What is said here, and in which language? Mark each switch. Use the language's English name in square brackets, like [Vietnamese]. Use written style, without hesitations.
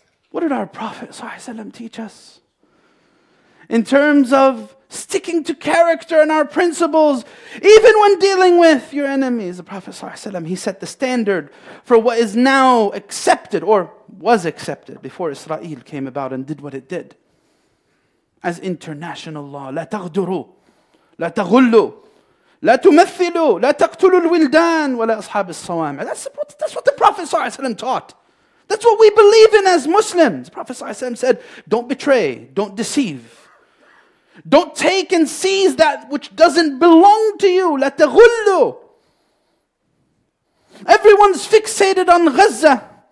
[English] What did our Prophet ﷺ teach us? In terms of sticking to character and our principles, even when dealing with your enemies. The Prophet ﷺ, he set the standard for what is now accepted, or was accepted before Israel came about and did what it did, as international law. [Arabic] لا تغدروا لا تغلوا لا تمثلوا لا تقتلوا الولدان ولا أصحاب الصوامع. [English] That's what the Prophet ﷺ taught. That's what we believe in as Muslims. The Prophet ﷺ said, don't betray, don't deceive. Don't take and seize that which doesn't belong to you. [Arabic] لا تغلوا. [English] Everyone's fixated on Gaza.